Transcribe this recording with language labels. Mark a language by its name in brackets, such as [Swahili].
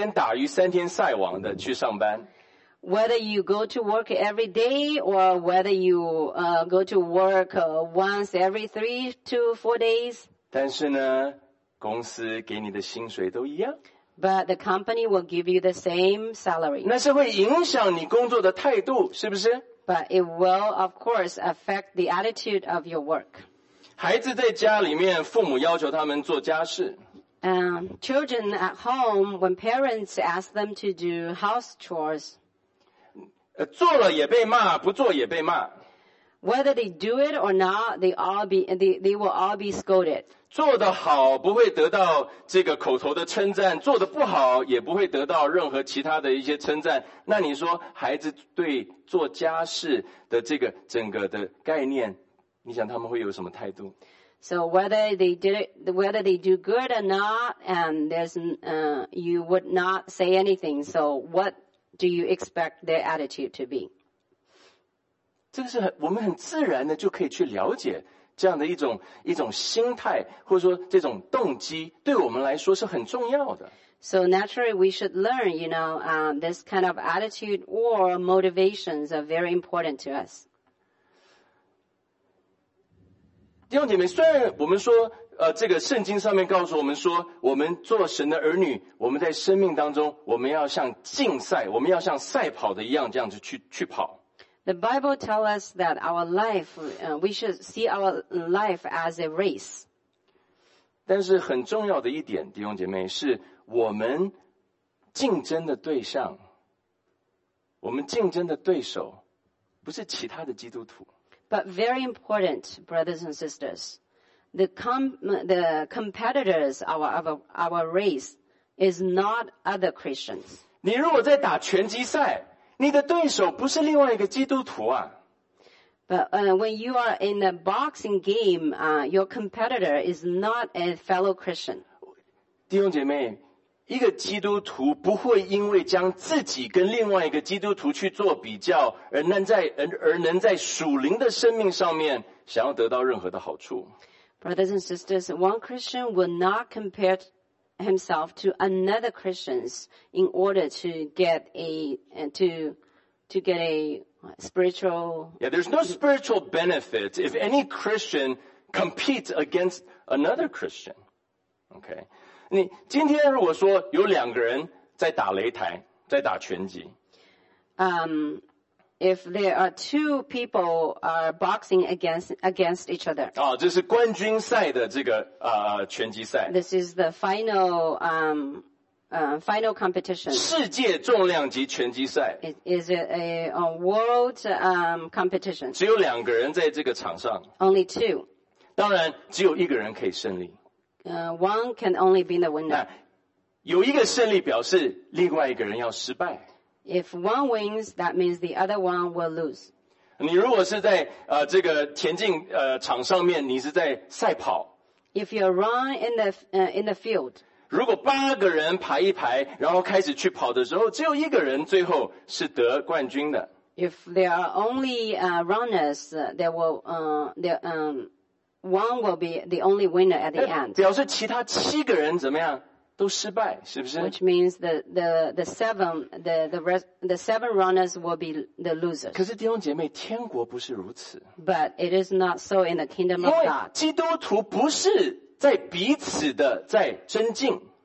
[Chinese] 不论你天天进公司上班，还是你中国人怎么说啊，一天打鱼三天晒网的去上班。 [English] Whether you go to work every day, or whether you go to work once every 3 to 4 days. [Chinese] 但是呢。公司给你的薪水都一样。 [English] But the company will give you the same salary. [Chinese] 那是会影响你工作的态度，是不是？ [English] But it will, of course, affect the attitude of your work. [Chinese] 孩子在家里面，父母要求他们做家事。 [English] Children at home, when parents ask them to do house chores, [Chinese] 做了也被骂，不做也被骂。 [English] Whether they do it or not, they will all be scolded. [Chinese] 做得好不会得到这个口头的称赞，做得不好也不会得到任何其他的一些称赞。那你说孩子对做家事的这个整个的概念，你想他们会有什么态度？ [English] So whether they do good or not, and you would not say anything. So what do you expect their attitude to be? [Chinese] 这个是我们很自然的就可以去了解这样的一种心态，或者说这种动机，对我们来说是很重要的。 [English] So naturally, we should learn, you know, this kind of attitude or motivations are very important to us. [Chinese] 弟兄姐妹，虽然我们说这个圣经上面告诉我们说，我们做神的儿女，我们在生命当中，我们要像竞赛，我们要像赛跑的一样，这样子去跑。 [English] The Bible tells us that our life, we should see our life as a race. [Chinese] 但是很重要的一点，弟兄姐妹，是我们竞争的对象，我们竞争的对手，不是其他的基督徒。 [English] But very important, brothers and sisters, the competitors our race is not other Christians. [Chinese] 你如果在打拳击赛，你的对手不是另外一个基督徒啊。 [English] But when you are in a boxing game, your competitor is not a fellow Christian. [Chinese] 弟兄姐妹，一个基督徒不会因为将自己跟另外一个基督徒去做比较，而能在属灵的生命上面想要得到任何的好处。 [English] Brothers and sisters, one Christian will not compare himself to another Christians in order to get a spiritual. Yeah, there's no spiritual benefit if any Christian competes against another Christian. Okay. [Chinese] 你今天如果说有两个人在打擂台，在打拳击。 [English] If there are two people are boxing against each other. [Chinese] 哦，这是冠军赛的这个拳击赛。 [English] This is the final competition. [Chinese] 世界重量级拳击赛。 [English] Is it a world competition? [Chinese] 只有两个人在这个场上。 [English] Only two. [Chinese] 当然，只有一个人可以胜利。 [English] One can only be the winner. [Chinese] 有一个胜利表示另外一个人要失败。 [English] If one wins, that means the other one will lose. [Chinese] 你如果是在这个田径场上面，你是在赛跑。 [English] If you're running in the field. [Chinese] 如果八个人排一排，然后开始去跑的时候，只有一个人最后是得冠军的。 [English] If there are only runners, there will One will be the only winner at the end. [Chinese] 表示其他七个人怎么样都失败，是不是 [English] ？Which means the seven runners will be the losers. [Chinese] 可是弟兄姐妹，天国不是如此。 [English] But it is not so in the kingdom of God. [Chinese] 因为基督徒不是在彼此的在争竞。